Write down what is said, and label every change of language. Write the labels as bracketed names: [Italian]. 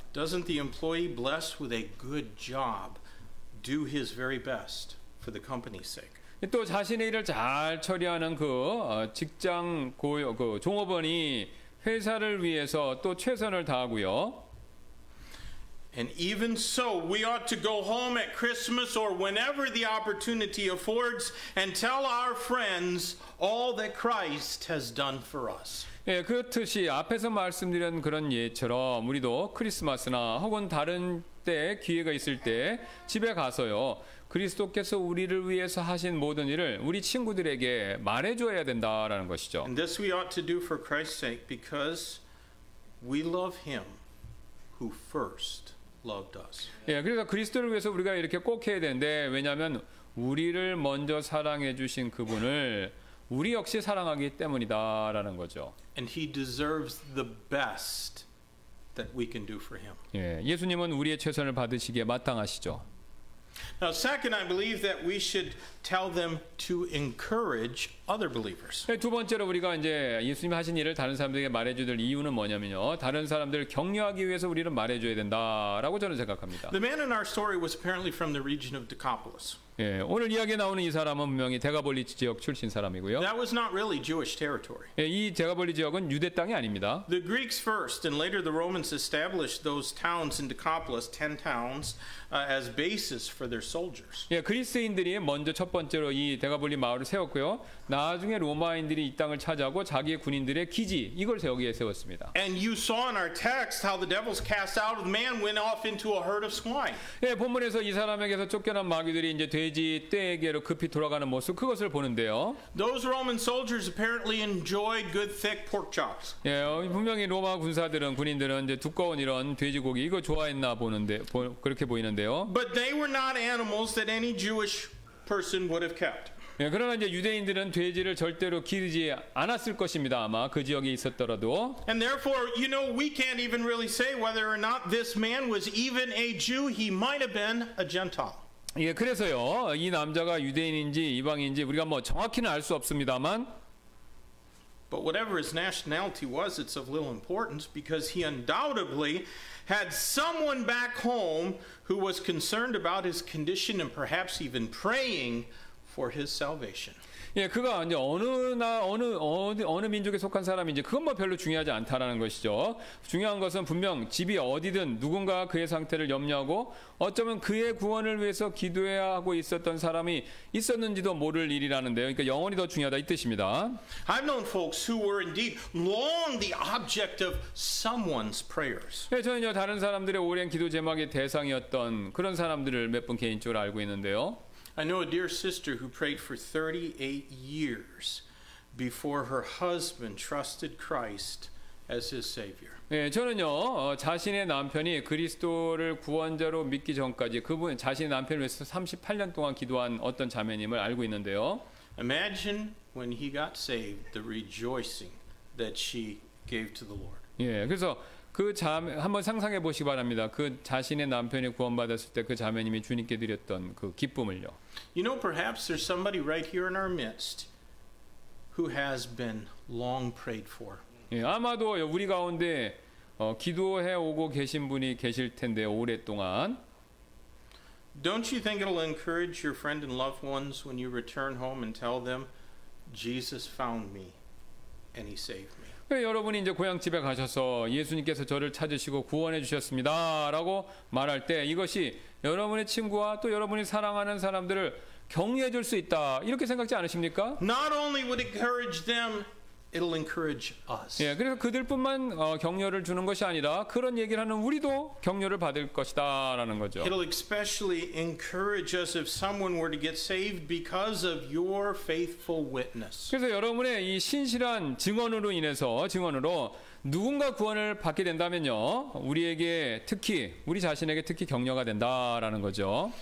[English] Doesn't the employee blessed with a good job do his very best for the company's sake? [Korean] 또 자신의 일을 잘 처리하는 그 직장 고용 그 종업원이 회사를 위해서 또 최선을 다하고요. [English] And even so, we ought to go home at Christmas or whenever the opportunity affords and tell our friends all that Christ has done for us. [Korean] 예, 그렇듯이 앞에서 말씀드린 그런 예처럼 우리도 크리스마스나 혹은 다른 때 기회가 있을 때 집에 가서요. 그리스도께서 우리를 위해서 하신 모든 일을 우리 친구들에게 말해 줘야 된다라는 것이죠. [English] And this we ought to do for Christ's sake because we love him who first loved us. [Korean] 예, 그래서 그리스도를 위해서 우리가 이렇게 꼭 해야 되는데 왜냐면 우리를 먼저 사랑해 주신 그분을 우리 역시 사랑하기 때문이다라는 거죠. [English] And he deserves the best that we can do for him. [Korean] 예, 예수님은 우리의 최선을 받으시기에 마땅하시죠. [English] Now, second, I believe that we should tell them to encourage other believers. [Korean] 예, 두 번째로 우리가 이제 예수님 하신 일을 다른 사람들에게 말해줄 이유는 뭐냐면요, 다른 사람들을 격려하기 위해서 우리는 말해줘야 된다라고 저는 생각합니다. [English] The man in our story was apparently from the region of Decapolis. [Korean] 예, 오늘 이야기에 나오는 이 사람은 분명히 데가볼리 지역 출신 사람이고요. [English] That was not really Jewish territory. [Korean] 예, 이 데가볼리 지역은 유대 땅이 아닙니다. [English] The Greeks first and later the Romans established those towns in Decapolis, 10 towns, as basis for their soldiers. [Korean] 예, 그리스인들이 먼저 첫 번째로 이 데가볼리 마을을 세웠고요. 나중에 로마인들이 이 땅을 차지하고 자기의 군인들의 기지 이걸 여기에 세웠습니다. [English] And you saw in our text how the devils cast out of the man went off into a herd of swine. [Korean] 예, 본문에서 이 사람에게서 쫓겨난 마귀들이 이제 돼지 떼에게로 급히 돌아가는 모습 그것을 보는데요. [English] Those Roman soldiers apparently enjoyed good thick pork chops. [Korean] 예, 분명히 로마 군사들은 군인들은 이제 두꺼운 이런 돼지고기 이거 좋아했나 보는데 그렇게 보이는데요. [English] But they were not animals that any Jewish person would have kept. [Korean] 예, 그러나 이제 유대인들은 돼지를 절대로 기르지 않았을 것입니다. 아마 그 지역에 있었더라도. [English] And therefore, you know, we can't even really say whether or not this man was even a Jew. He might have been a Gentile. [Korean] 예, 그래서요. 이 남자가 유대인인지 이방인인지 우리가 뭐 정확히는 알 수 없습니다만. [English] But whatever his nationality was, it's of little importance because he undoubtedly had someone back home who was concerned about his condition and perhaps even praying for his salvation. [Korean] 예, 그가 이제 어느 민족에 속한 사람인지 그건 뭐 별로 중요하지 않다라는 것이죠. 중요한 것은 분명 집이 어디든 누군가 그의 상태를 염려하고 어쩌면 그의 구원을 위해서 기도해야 하고 있었던 사람이 있었는지도 모를 일이라는데요. 그러니까 영원히 더 중요하다 이 뜻입니다. [English] I've known folks who were indeed long the object of someone's prayers. [Korean] 예, 저는요 다른 사람들의 오랜 기도 제목의 대상이었던 그런 사람들을 몇 분 개인적으로 알고 있는데요. [English] I know a dear sister who prayed for 38 years before her husband trusted Christ as his savior. [Korean] 예, 저는요. 자신의 남편이 그리스도를 구원자로 믿기 전까지 그분 자신의 남편을 위해서 38년 동안 기도한 어떤 자매님을 알고 있는데요. [English] Imagine when he got saved the rejoicing that she gave to the Lord. [Korean] 예, 그래서 그 자매 한번 상상해 보시기 바랍니다. 그 자신의 남편이 구원받았을 때 그 자매님이 주님께 드렸던 그 기쁨을요. [English] You know, perhaps there's somebody right here in our midst who has been long prayed for. [Korean] 예, 아마도 우리 가운데 기도해 오고 계신 분이 계실 텐데 오랫동안. [English] Don't you think it'll encourage your friend and loved ones when you return home and tell them Jesus found me and he saved me? [Korean] 예, 여러분이 이제 고향 집에 가셔서 예수님께서 저를 찾으시고 구원해 주셨습니다라고 말할 때 이것이 여러분의 친구와 또 여러분이 사랑하는 사람들을 격려해 줄 수 있다 이렇게 생각지 않으십니까? [English] Not only would encourage them, it'll encourage us. [Korean] 예, 그래서 그들뿐만 격려를 주는 것이 아니라 그런 얘기를 하는 우리도 격려를 받을 것이다라는 거죠. [English] It'll especially encourage us if someone were to get saved because of your faithful witness. [Korean] 그래서 여러분의 이 신실한 증언으로 인해서 증언으로 누군가 구원을 받게 된다면요, 우리에게 특히 우리 자신에게 특히 격려가 된다라는 거죠.